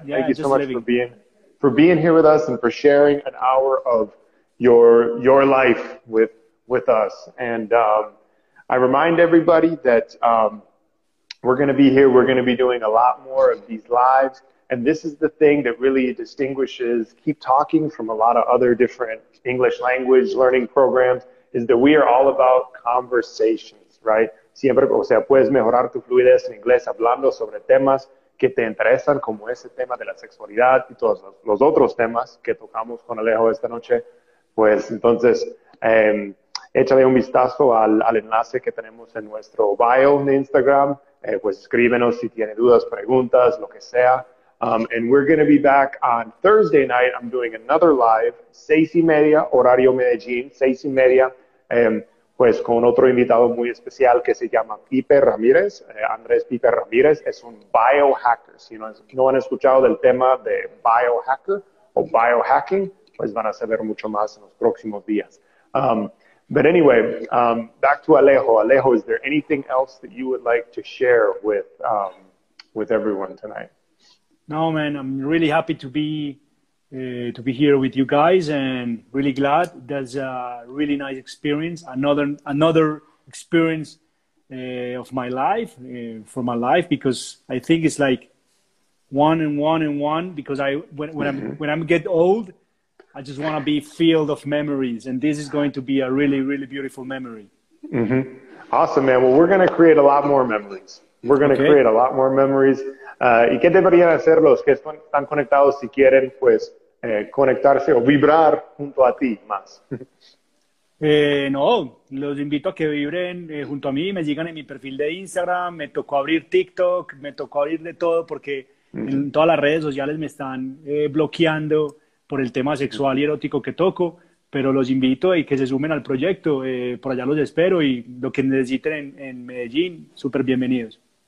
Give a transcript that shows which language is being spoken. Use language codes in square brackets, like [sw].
[en] Thank you so much for being here with us and for sharing an hour of your life with us. And I remind everybody that We're going to be here. We're going to be doing a lot more of these lives. And this is the thing that really distinguishes Keep Talking from a lot of other different English language learning programs, is that we are all about conversations, right? [es] Siempre, o sea, puedes mejorar tu fluidez en inglés hablando sobre temas que te interesan, como ese tema de la sexualidad y todos los otros temas que tocamos con Alejo esta noche. Pues entonces, échale un vistazo al enlace que tenemos en nuestro bio de Instagram. Pues escríbenos si tiene dudas, preguntas, lo que sea. [en] And we're going to be back on Thursday night. I'm doing another live, 6:30, [es] horario Medellín, [en] 6:30. [es] Pues con otro invitado muy especial que se llama Pipe Ramírez. Andrés Pipe Ramírez es un biohacker. Si no han escuchado del tema de biohacker o biohacking, pues van a saber mucho más en los próximos días. [en] But anyway, back to Alejo. Alejo, is there anything else that you would like to share with everyone tonight? No, man, I'm really happy to be here with you guys, and really glad. That's a really nice experience. Another experience for my life, because I think it's like one and one and one, because I when I'm get old, I just want to be filled of memories, and this is going to be a really, really beautiful memory. Mm-hmm. Awesome, man. Well, we're going to create a lot more memories. We're going to create a lot more memories. [es] ¿Y qué deberían hacer los que están conectados si quieren, pues, conectarse o vibrar junto a ti más? No, los invito a que vibren junto a mí, me sigan en mi perfil de Instagram, me tocó abrir TikTok, me tocó abrir de todo, porque en todas las redes sociales me están bloqueando por el tema sexual y erótico que toco, pero los invito y que se sumen al proyecto, por allá los espero, y lo que necesiten en Medellín, súper bienvenidos.